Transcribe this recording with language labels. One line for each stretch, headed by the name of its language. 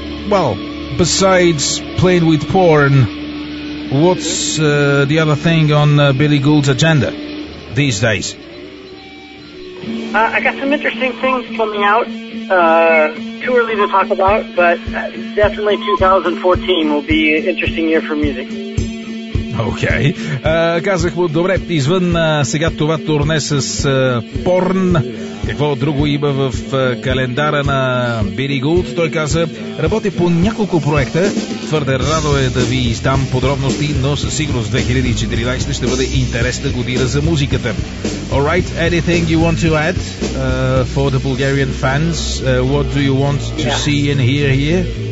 English: Well, besides playing with Porn, what's the other thing on Billy Gould's agenda these days? I got some interesting things coming out. Too early to talk about, but definitely 2014 will be an interesting year for music.
Bulgarian: Окей. Казах му, добре, извън сега това турне с Porn, какво друго има в календара на Billy Gould? Той каза, работи по няколко проекта. Твърде радо е да ви издам подробности, но със сигурност 2014 ще бъде интересна година за музиката.
English: Alright, anything you want to add for the Bulgarian fans? What do you want to see and hear here?